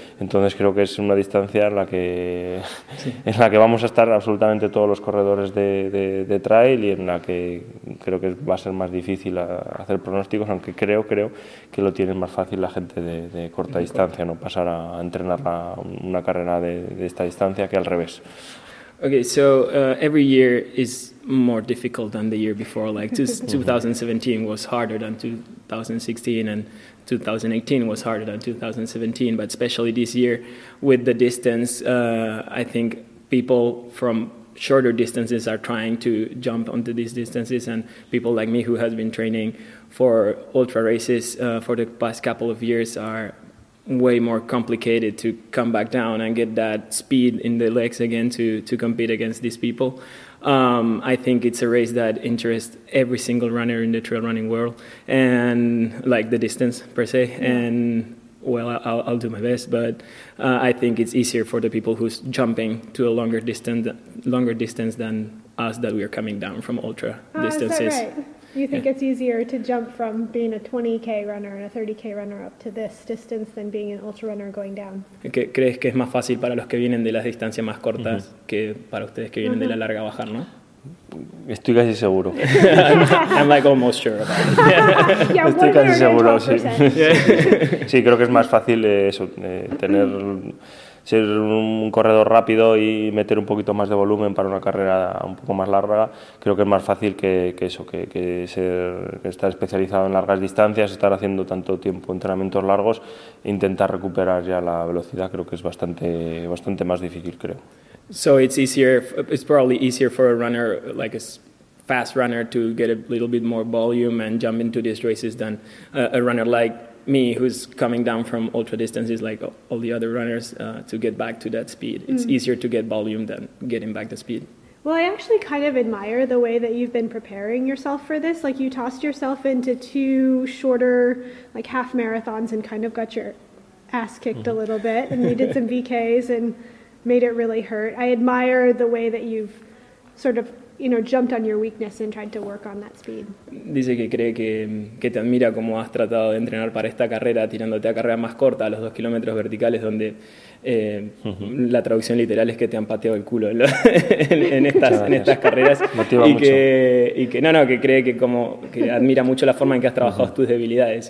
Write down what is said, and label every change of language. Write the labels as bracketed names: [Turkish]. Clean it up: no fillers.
[Spanish] Entonces creo que es una distancia en la que vamos a estar absolutamente todos los corredores de trail, y en la que creo que va a ser más difícil hacer pronósticos, aunque creo que lo tienen más fácil la gente de corta distancia, no pasar a entrenar una carrera de esta distancia que al revés. [English] Okay, so every year is more difficult than the year before. Like 2017 was harder than 2016, and 2018 was harder than 2017. But especially this year, with the distance, I think people from shorter distances are trying to jump onto these distances, and people like me who has been training for ultra races for the past couple of years are way more complicated to come back down and get that speed in the legs again to compete against these people. I think it's a race that interests every single runner in the trail running world, and like the distance per se. Yeah. And well, I'll do my best, but I think it's easier for the people who's jumping to a longer distance than us that we are coming down from ultra distances. Is that right? You think it's easier to jump from being a 20K runner and a 30K runner up to this distance than being an ultra runner going down? [Spanish] ¿Crees que es más fácil para los que vienen de las distancias más cortas que para ustedes que vienen de la larga bajar, no? Estoy casi seguro. [English] I'm like almost sure about it. [Spanish] Yeah, estoy casi seguro, sí. Sí, creo que es más fácil eso, tener... ser un corredor rápido y meter un poquito más de volumen para una carrera un poco más larga, creo que es más fácil que eso, que estar especializado en largas distancias, estar haciendo tanto tiempo entrenamientos largos, intentar recuperar ya la velocidad, creo que es bastante más difícil, creo. [English] So it's probably easier for a runner, like a fast runner, to get a little bit more volume and jump into these races than a runner like me, who's coming down from ultra distances like all the other runners, to get back to that speed. It's easier to get volume than getting back the speed. Well, I actually kind of admire the way that you've been preparing yourself for this. Like, you tossed yourself into two shorter, like, half marathons and kind of got your ass kicked a little bit, and you did some VKs and made it really hurt. I admire the way that you've sort of, you know, jumped on your weakness and tried to work on that speed. [Spanish] Dice que cree que te admira cómo has tratado de entrenar para esta carrera, tirándote a carrera más corta, a los 2 kilómetros verticales, donde la traducción literal es que te han pateado el culo en estas carreras. Motiva y mucho. Que cree que como que admira mucho la forma en que has trabajado tus debilidades.